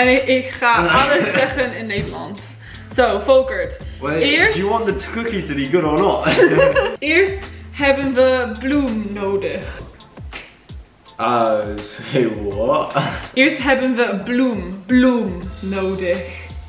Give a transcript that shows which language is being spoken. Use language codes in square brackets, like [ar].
[nl] En ik ga alles zeggen in Nederlands. Zo, so, Volkert. [en] Wait, [nl] eerst... [en] Do you want the cookies to be good or not? [nl] Eerst hebben we bloem nodig. [en] Say what? [nl] Eerst hebben we bloem nodig.